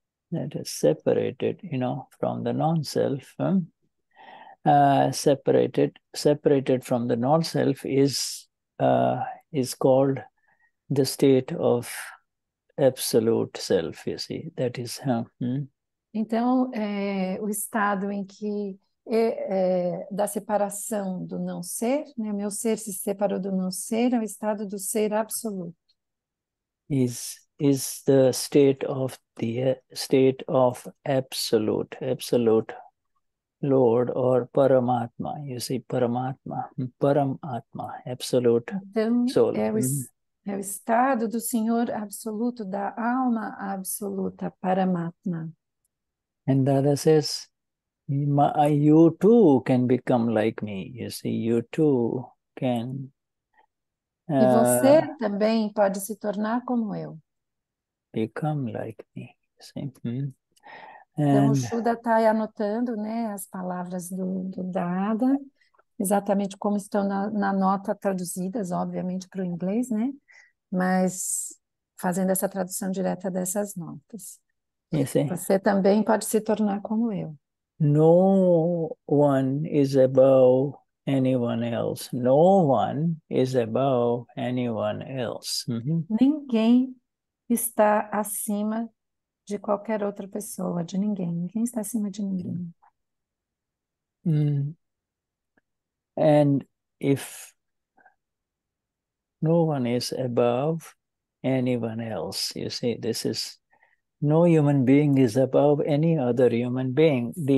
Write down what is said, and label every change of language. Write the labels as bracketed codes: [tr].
[en] That has separated, you know, from the non-self. Separated from the non-self is called the state of absolute self. You see, that is. [pt] Então, o estado em que da separação do não ser, né? Meu ser se separou do não ser, é o estado do ser absoluto. [en] Is the state of the state of absolute, absolute Lord or Paramatma. You see, Paramatma, Paramatma, absolute [pt] então, [en] soul. [pt] É o estado do Senhor absoluto, da alma absoluta, Paramatma. [en] And Dada says, you too can become like me. You see, you too can. [pt] E você também pode se tornar como eu. [en] Become like me. [pt] Então, o Shuddha está anotando, né, as palavras do Dada, exatamente como estão na nota traduzidas, obviamente, para o inglês, né? Mas fazendo essa tradução direta dessas notas. Você também pode se tornar como eu. [en] No one is above anyone else. No one is above anyone else. [pt] Ninguém está acima de qualquer outra pessoa, de ninguém. Ninguém está acima de ninguém. [en] And if no one is above anyone else, you see, this is no human being is above any other human being.